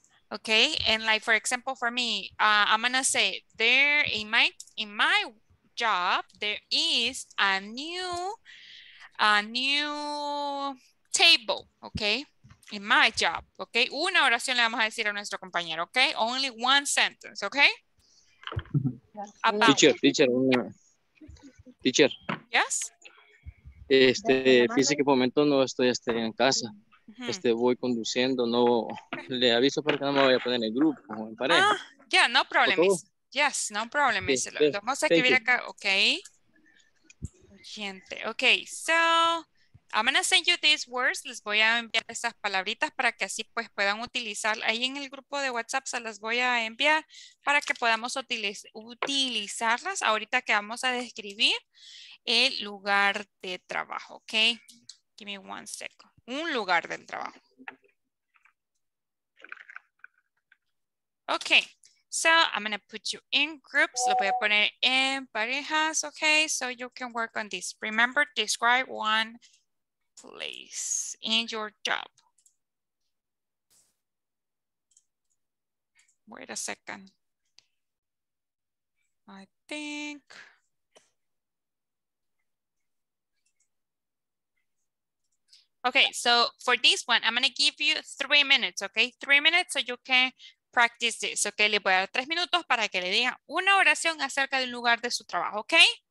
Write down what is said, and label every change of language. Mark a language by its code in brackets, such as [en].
[en] Okay, and like for example, for me, I'm gonna say there in my job there is a new table. Okay, in my job. [es] Okay, una oración le vamos a decir a nuestro compañero. [en] Okay, only one sentence. Okay. About. Teacher. Teacher. Yes. [es] Este, fíjese que por el momento no estoy en casa. Este, voy conduciendo, no le aviso para que no me vaya a poner en el grupo o en pareja. [en] Yeah, no problem. Yes, no problem. Yes, [es] vamos a escribir acá, [en] ok. [es] Gente, ok. [en] So, I'm going to send you these words. [es] Les voy a enviar esas palabritas para que así pues puedan utilizar. Ahí en el grupo de WhatsApp se las voy a enviar para que podamos utilizarlas ahorita que vamos a describir el lugar de trabajo, ok. [en] Give me one second. [es] Un lugar del trabajo. [en] Ok. So, I'm going to put you in groups. [es] Lo voy a poner en parejas. [en] Ok. So, you can work on this. Remember, describe one place in your job. Wait a second. I think... Okay, so for this one, I'm going to give you 3 minutes, okay? 3 minutes so you can practice this, okay? [es] Le voy a dar 3 minutos para que le diga una oración acerca del lugar de su trabajo, okay?